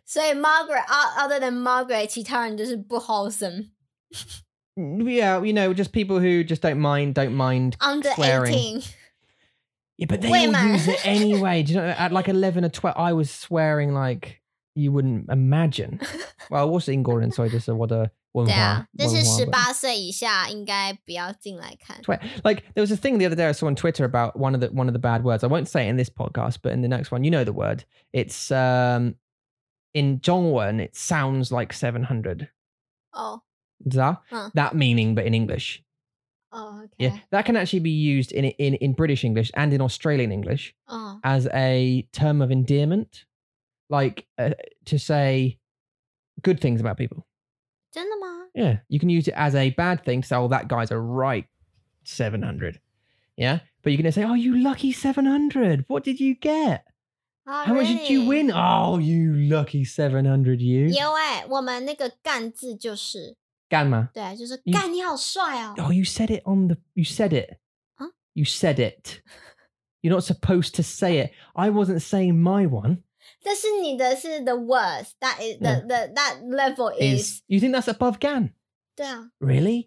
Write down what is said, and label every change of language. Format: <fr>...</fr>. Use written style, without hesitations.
<en>So Margaret, other than Margaret,</en> <zh>其他人就是不</zh> <en>wholesome. Yeah, you know, just people who just don't mind Under swearing. 18. Yeah, but they all use it anyway. Do you know, at like 11 or 12, I was swearing like you wouldn't imagine.</en> <zh>Well, 我是英国人，所以就是我的文化。对啊，但是18岁以下应该不要进来看。</zh> <en>Like there was a thing the other day I saw on Twitter about one of the bad words. I won't say it in this podcast, but in the next one, you know the word. It's in 中文 it sounds like 700. Oh.</en> <zh>是啊?</zh> <en>That meaning, but in English. Oh, okay. Yeah, that can actually be used in British English and in Australian English as a term of endearment. Like to say good things about people.</en> <zh>真的吗?</zh> <en>Yeah, you can use it as a bad thing to say, oh, that guy's a right 700. Yeah, but you're going to say, oh, you lucky 700. What did you get? Oh, How、 really? much did you win? Oh, you lucky 700, you.</en> <zh>有欸,我们那个干字就是。干吗? 对,就是干你好帅哦。</zh> <en>Oh, you said it on the, you said it. Huh? You said it. You're not supposed to say it. I wasn't saying my one.</en> <zh>但是你的是</zh> <en>the worst, that is, that level is... You think that's above GAN?</en> <zh>对啊。</zh> <en>Really?、</en>